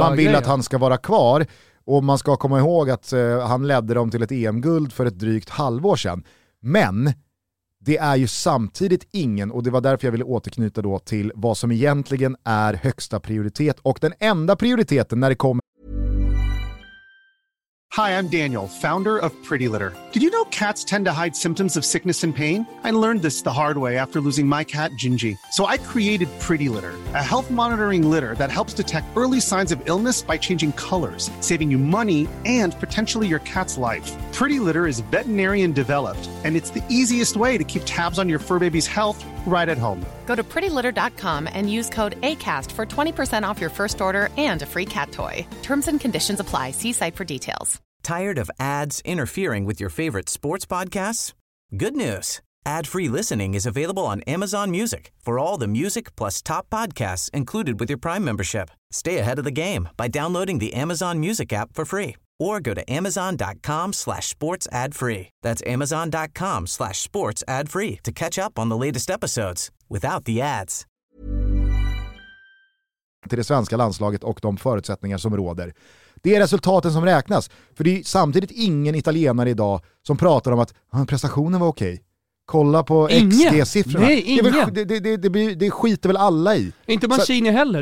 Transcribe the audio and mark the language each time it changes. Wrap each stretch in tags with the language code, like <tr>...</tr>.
<sv>Man vill att han ska vara kvar. Och man ska komma ihåg att han ledde dem till ett EM-guld för ett drygt halvår sedan. Men det är ju samtidigt ingen, och det var därför jag ville återknyta då till vad som egentligen är högsta prioritet och den enda prioriteten när det kommer.</sv> <en>Hi, I'm Daniel, founder of Pretty Litter. Did you know cats tend to hide symptoms of sickness and pain? I learned this the hard way after losing my cat, Gingy. So I created Pretty Litter, a health monitoring litter that helps detect early signs of illness by changing colors, saving you money and potentially your cat's life. Pretty Litter is veterinarian developed, and it's the easiest way to keep tabs on your fur baby's health right at home. Go to prettylitter.com and use code ACAST for 20% off your first order and a free cat toy. Terms and conditions apply. See site for details. Tired of ads interfering with your favorite sports podcasts? Good news. Ad-free listening is available on Amazon Music for all the music plus top podcasts included with your Prime membership. Stay ahead of the game by downloading the Amazon Music app for free or go to amazon.com/sportsadfree. That's amazon.com/sportsadfree to catch up on the latest episodes without the ads.</en> <sv>Till det svenska landslaget och de förutsättningar som råder. Det är resultaten som räknas. För det är samtidigt ingen italienare idag som pratar om att prestationen var okej. Kolla på XG-siffrorna. Nej, ingen. Det skiter väl alla i. Inte Mancini heller.</sv>